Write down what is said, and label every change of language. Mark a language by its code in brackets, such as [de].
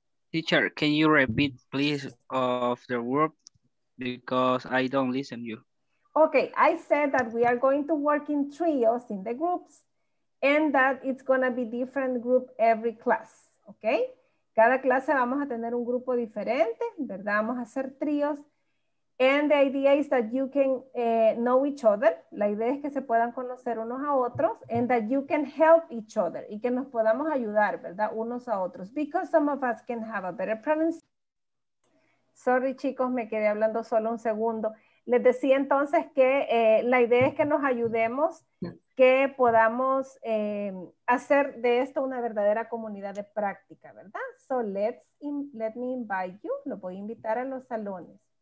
[en] Teacher, can you repeat please of the word because I don't listen to you. Okay, I said that we are going to work in trios in the groups and that it's going to be different group every class, okay? [es] Cada clase vamos a tener un grupo diferente, ¿verdad? Vamos a hacer tríos. [en] And the idea is that you can know each other. [es] La idea es que se puedan conocer unos a otros [en] and that you can help each other [es] y que nos podamos ayudar, ¿verdad? Unos a otros. [en] Because some of us can have a better pronunciation. [es] Sorry, chicos, me quedé hablando solo un segundo. Les decía entonces que la idea es que nos ayudemos, que podamos hacer de esto una verdadera comunidad de práctica, ¿verdad? [en] So let me invite you, [es] lo voy a invitar a los salones.